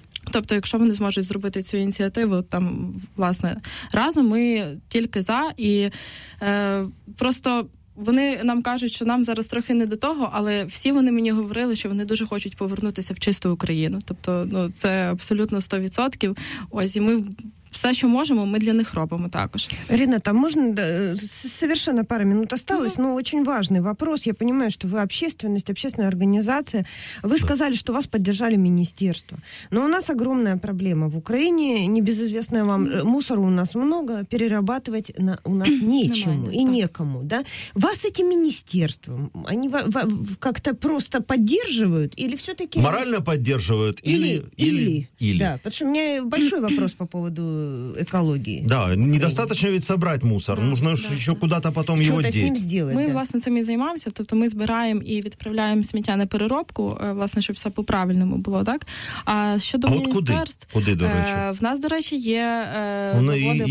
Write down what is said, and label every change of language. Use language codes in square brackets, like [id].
[uk] Тобто, якщо вони зможуть зробити цю ініціативу там, власне, разом, ми тільки за, і просто вони нам кажуть, що нам зараз трохи не до того, але всі вони мені говорили, що вони дуже хочуть повернутися в чисту Україну. Тобто, ну, це абсолютно 100%. Ось, і ми все, що можемо, ми для них робимо також. [ru] Ірина, [uk] там можна, [ru] совершенно пару минут осталось, ну, очень важный вопрос. Я понимаю, что вы общественность, общественная организация. Вы сказали, что вас поддержали министерство. Но у нас огромная проблема в Украине, небезызвестная вам, мусора у нас много, перерабатывать у нас нечему и некому, да? Вас эти министерства, они как-то просто поддерживают или все-таки... Морально поддерживают или. Да, потому что у меня большой вопрос по поводу екології. Да, недостатньо від собрати мусор, нужно ще куда-то потом його діти. [uk] Ми, власне, самі займаємося, тобто ми збираємо і відправляємо сміття на переробку, власне, щоб все по-правильному було, так? А щодо міністерств, куди, до речі? В нас, до речі, є заводи по переробці.